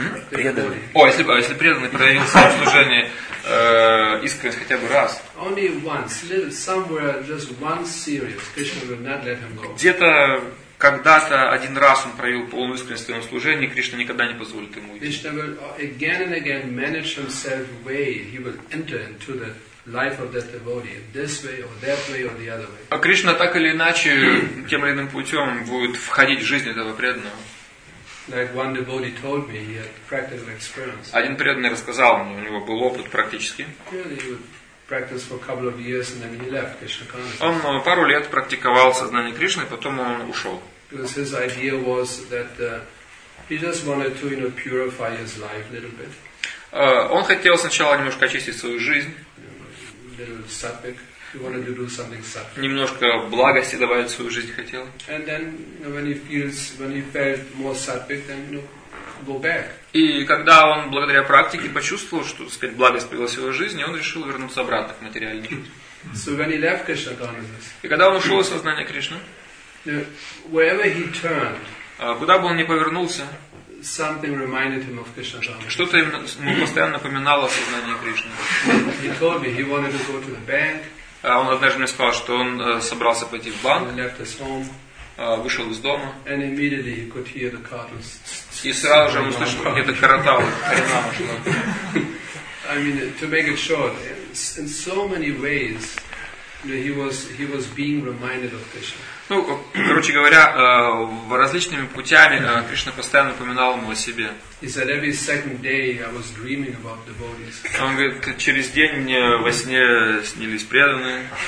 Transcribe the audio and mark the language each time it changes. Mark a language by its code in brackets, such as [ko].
[ru] Если преданный проявил в своем служении искренность хотя бы раз. [en] Only once, little, somewhere, just one serious. Krishna would not let him go. [ru] Где-то когда-то один раз он проявил полную искренность в своем служении, Кришна никогда не позволит ему уйти. [en] Krishna will again and again manage himself way. He will enter into the life of that devotee this way or that way or the other way. [ru] А Кришна так или иначе тем или иным путем будет входить в жизнь этого преданного. [en] Like one devotee told me, he had practical experience. [ru] Один преданный рассказал мне, у него был опыт практически. [en] Practice for a couple of years and then he left Krishna consciousness. [ru] Он пару лет практиковал сознание Кришны, потом он ушел. [en] Because his idea was that he just wanted to, you know, purify his life a little bit. [ru] Он хотел сначала немножко очистить свою жизнь. [en] Little sattvic. He wanted to do something sattvic. [ru] Немножко благости добавить в свою жизнь хотел. [en] And then, you know, when he felt more sattvic, then, you know, go back. [ru] И когда он благодаря практике почувствовал, что, так сказать, благость привела в его жизнь, он решил вернуться обратно к материальному. [en] So when he left Krishna consciousness, [ru] и когда он ушел из сознания Кришны, [en] wherever he turned, [ru] куда бы он ни повернулся, [en] something reminded him of Krishna consciousness. [ru] Что-то ему постоянно напоминало о сознании Кришны. [en] He told me he wanted to go to the bank. [ru] Он однажды мне сказал, что он собрался пойти в банк. [en] He left his home. [ru] Вышел из дома. [en] And immediately he could hear the cartons. [ru] И сразу же он услышал какие-то караталы. [en] I mean, to make it short, in so many ways, you know, he was being reminded of Krishna. [ru] Ну, короче говоря, различными путями Кришна постоянно напоминал ему о себе. [en] He said every second day I was dreaming about devotees. [ru] Он говорит, через день мне во сне снились преданные.